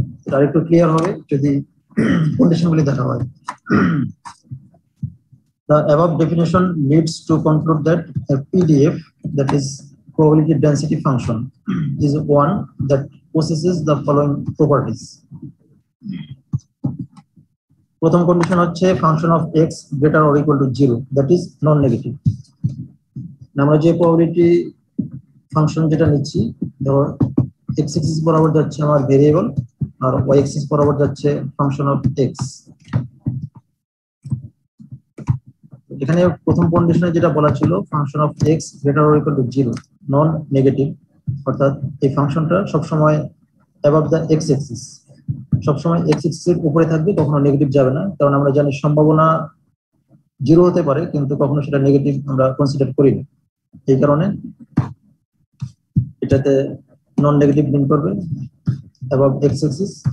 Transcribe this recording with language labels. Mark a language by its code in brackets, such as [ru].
[bn] তার একটু ক্লিয়ার হবে যদি কন্ডিশন গুলি দেখা হয়। [en] The above definition leads to conclude that PDF that is probability density function is one that possesses the following properties. [bn] প্রথম কন্ডিশন হচ্ছে [en] Function of x greater or equal to 0 that is non negative. [bn] আমরা যে probability function যেটা নিচ্ছি, ধর x axis বরাবর যাচ্ছে আমার ভেরিয়েবল আর y axis বরাবর যাচ্ছে ফাংশন অফ x, এখানে প্রথম কন্ডিশনে যেটা বলা ছিল function of x greater or equal to 0 non negative, অর্থাৎ এই ফাংশনটা সবসময় অ্যাবাভ দ্য এক্স অ্যাক্সিস, সবসময় এক্স অ্যাক্সিস এর উপরে থাকবে, কখনো নেগেটিভ যাবে না, কারণ আমরা জানি সম্ভাবনা জিরো হতে পারে কিন্তু কখনো সেটা নেগেটিভ আমরা কনসিডার করি না, এই কারণে এটাতে নন নেগেটিভ লিন করবে অ্যাবাভ এক্স অ্যাক্সিস।